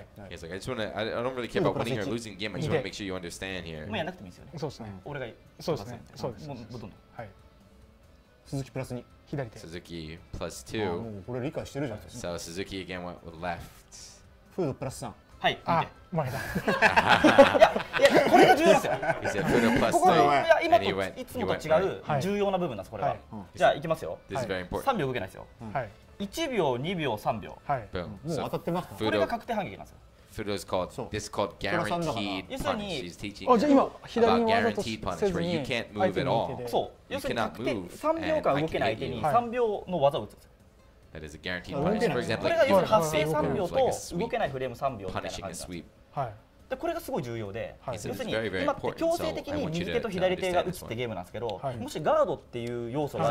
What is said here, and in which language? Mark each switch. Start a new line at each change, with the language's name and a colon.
English: Yes, I just wanna, I don't really care about winning or losing the game. I just wanna make sure you understand here.
Japanese: もうやなくてもいいですよね。そうですね。俺がそうですね。そうです。もうどんどん。はい。鈴木プラス 2左手。鈴木プラス2。もうこれ理解してるじゃん。
English: So Suzuki again went with left.
Japanese: フードプラス3。はい。あ、負けた。いや、これが重要ですよ。
English: He said
Japanese: フードプラス2。ここは今といつもと違う重要な部分なんです、これは。じゃあ行きますよ。
English: This is very important. 3
Japanese: 秒動けないですよ。はい。 1秒、2秒、3秒、はい、もう当たってますか、これが確定反撃なんですよ。
English: Fudo's called, this is called guaranteed punish. He's teaching about guaranteed punish where you can't move at all.
Japanese: そう、要するに3秒間動けない相手に3秒の技を打つんですよ。
English: That is a guaranteed punish.
Japanese: これが要するに発生3秒と動けないフレーム3秒みたいな感じなんですよ。これがすごい重要で、要するに今って強制的に右手と左手が打つってゲームなんですけど、もしガードっていう要素があ